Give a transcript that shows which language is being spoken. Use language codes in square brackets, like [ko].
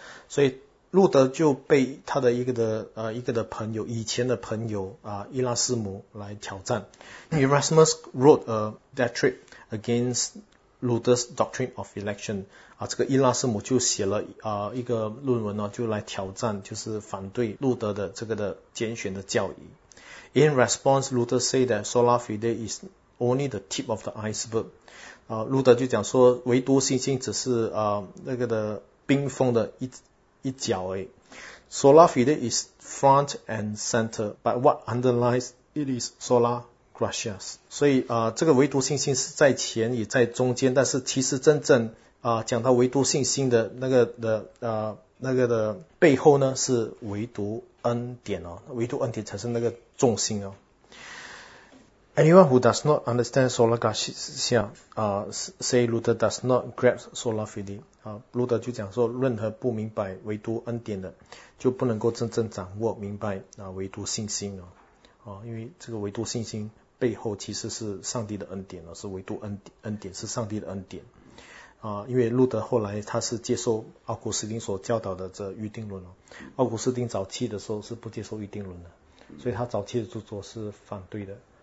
[zh] 所以路德就被他的一个的朋友，以前的朋友，伊拉斯姆来挑战。 [en] Erasmus wrote a diatrib against Luther's doctrine of election. [zh] 这个伊拉斯姆就写了一个论文，就来挑战，就是反对路德的这个的拣选的教义。 [en] In response, Luther said that sola fide is only the tip of the iceberg. [zh] 路德就讲说，唯独信心只是那个的冰封的一角而已。 [en] Sola Fide is front and center, but what underlies it is sola gratia. [zh] 所以这个唯独信心是在前也在中间，但是其实真正讲到唯独信心的那个的背后呢，是唯独恩典，唯独恩典才是那个重心。 [en] Anyone who does not understand sola gratia, say Luther does not grasp sola fide. [zh] 路德就讲说，任何不明白唯独恩典的，就不能够真正掌握明白唯独信心。因为这个唯独信心背后其实是上帝的恩典，是唯独恩典是上帝的恩典。因为路德后来他是接受奥古斯丁所教导的这预定论，奥古斯丁早期的时候是不接受预定论的，所以他早期的著作是反对的。